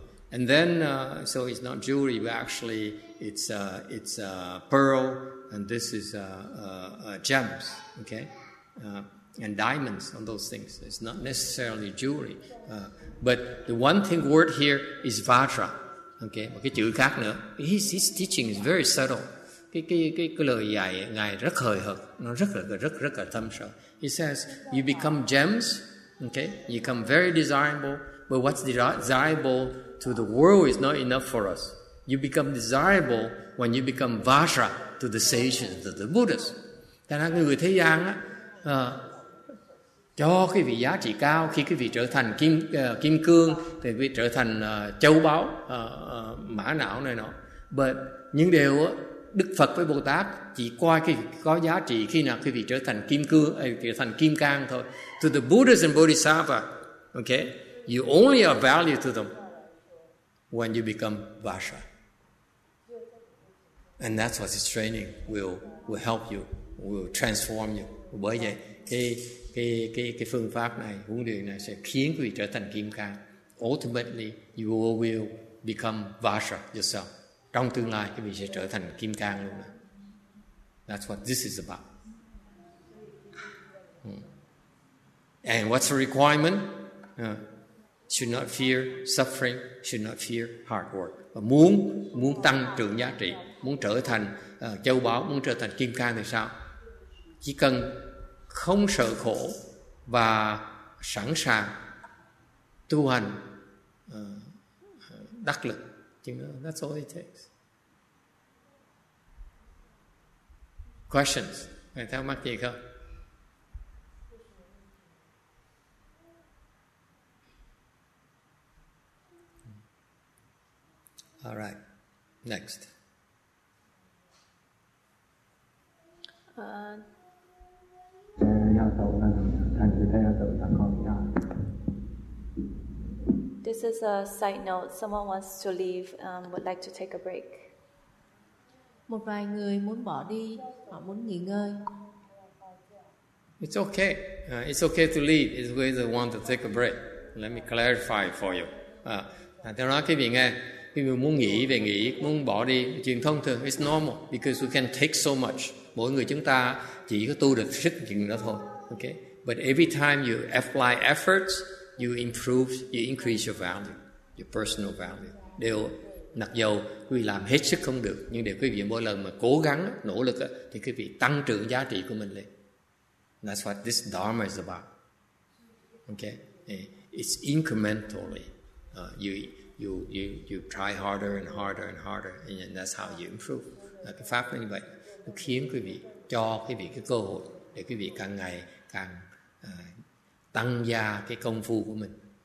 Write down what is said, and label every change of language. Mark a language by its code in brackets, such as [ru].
[en] And then, so it's not jewelry, but actually it's pearl, and this is gems, okay, and diamonds on those things. It's not necessarily jewelry, but the one thing word here is vajra, okay. [vi] Một cái chữ khác nữa. [en] His teaching is very subtle. [vi] Cái lời dạy ngài rất hời hợt, nó rất là thâm sâu. [en] He says you become gems, okay. You become very desirable, but what's desirable to the world is not enough for us. You become desirable when you become vajra to the sages, to the Buddhas. [vi] Thành ra người thế gian á, cho quý vị giá trị cao khi quý vị trở thành kim cương, thì quý vị trở thành châu báu, mã não này nọ. But những điều á, Đức Phật với Bồ Tát chỉ coi cái có giá trị khi nào quý vị trở thành kim cương, trở thành kim cang thôi. [en] To the Buddhas and Bodhisattva, okay, you only are valued to them when you become vajra. And that's what this training will help you, will transform you. [vi] Bởi vậy, cái phương pháp này, huấn luyện này sẽ khiến quý vị trở thành kim cang. [en] Ultimately, you will become vajra yourself. [vi] Trong tương lai, quý vị sẽ trở thành kim cang luôn. [en] That's what this is about. And what's the requirement? Should not fear suffering, should not fear hard work. [vi] Và muốn tăng trưởng giá trị, muốn trở thành châu báu, muốn trở thành kim cang thì sao? Chỉ cần không sợ khổ và sẵn sàng tu hành đắc lực. [en] That's all it takes. Questions? [vi] Mày thắc mắc gì không? [en] All right. Next. Yeah, so I'm going to thank you. This is a side note. Someone wants to leave, would like to take a break. [vi] Một vài người muốn bỏ đi, họ muốn nghỉ ngơi. [en] It's okay. It's okay to leave. It's okay to want to take a break. Let me clarify for you. [vi] Theo đó, quý vị nghe, quý vị muốn nghỉ về nghỉ, muốn bỏ đi, chuyện thông thường, [en] it's normal, because we can take so much. [vi] Mỗi người chúng ta chỉ có tu được rất nhiều đó thôi. Okay? [en] But every time you apply efforts, you improve, you increase your value, your personal value. [vi] Đều, mặc dù quý vị làm hết sức không được, nhưng để quý vị mỗi lần mà cố gắng, nỗ lực, thì quý vị tăng trưởng giá trị của mình lên. [en] That's what this Dharma is about. Okay? It's incrementally. You try harder and harder and harder, and that's how you improve. [vi] Cái pháp như vậy, nó khiến quý vị, cho quý vị cái cơ hội để quý vị càng ngày càng tăng gia cái công phu của mình.